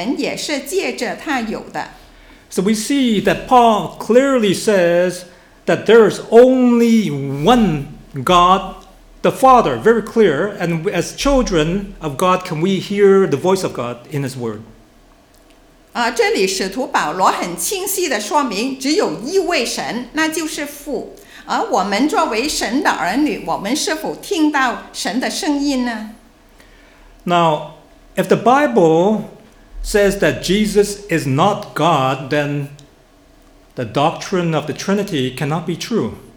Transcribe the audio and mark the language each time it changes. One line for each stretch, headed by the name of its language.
Chinese: 这里就是使徒保罗所说的话，哥林多前书第八章第六节，然而我们只有一位神，就是父，万物都本于他，我们也归于他，并有一位主，就是耶稣基督，万物都是借着他有的，我们也是借着他有的。
English: So we see that Paul clearly says that there is only one God, the Father, very clear. And as children of God, can we hear the voice of God in His Word?
Chinese: 这里使徒保罗很清晰地说明，只有一位神，那就是父。而我们作为神的儿女，我们是否听到神的声音呢？
English: Now, if the Bible says that Jesus is not God, then the doctrine of the Trinity cannot be true.